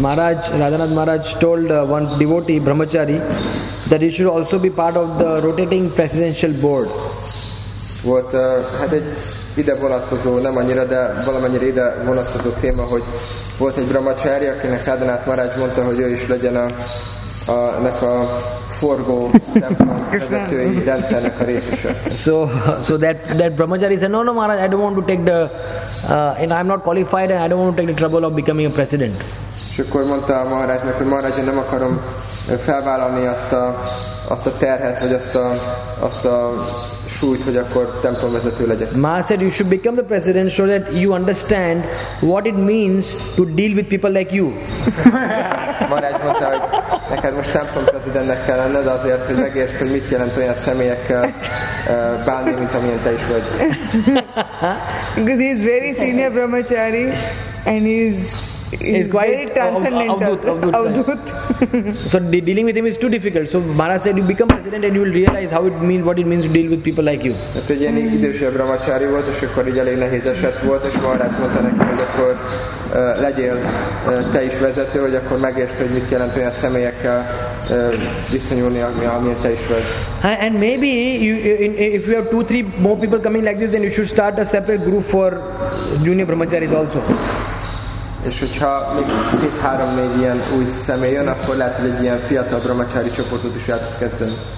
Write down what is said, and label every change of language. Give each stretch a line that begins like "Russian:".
English: Maharaj, Radhanath Maharaj told one devotee, Brahmachari, that he should also be part of the rotating presidential board.
Hungarian: Volt hát egy ide vonatkozó, nem annyira, de valamennyire ide vonatkozó téma, hogy volt egy Brahmachari, akinek Radhanath Maharaj mondta, hogy ő is legyen ennek a forgó vezetői rendszernek a részese.
English: So that Brahmachari said, no, Maharaj, I don't want to take the I'm not qualified and I don't want to take the trouble of becoming a president.
Hungarian: És akkor mondta a Maharajnak, hogy Maharaj, én nem akarom felvállalni azt a terhet, vagy azt a súlyt, hogy akkor templomvezető legyek.
English: Maharaj said, you should become the president so that you understand what it means to deal with people like you.
Hungarian: Maharaj mondta, hogy neked most templomprezidentnek kell lenned azért, hogy megértsd, hogy mit jelent olyan személyekkel bánni, mint amilyen te is vagy.
English: Because he is very senior brahmachari and he is quite very transcendental. Avdhut. So dealing with him is too difficult. So Maharaj said, you become president and you will realize how it means, what it means to deal with people like you.
Hungarian: Tehát egy ilyen idősebb brahmachari volt, és akkor így elég nehéz eset volt, és Maharaj mondta neki, hogy akkor legyél te is vezető, hogy akkor megértsd, hogy mit jelent olyan személyekkel viszonyulni, amilyen te is vagy.
English: And maybe if you have 2-3 more people coming like this, then you should start a separate group for junior brahmacharis also.
Hungarian: És hogyha még 3-4 ilyen új személy jön, akkor lehet, hogy egy ilyen fiatal brahmachari csoportot is lehet kezdeni.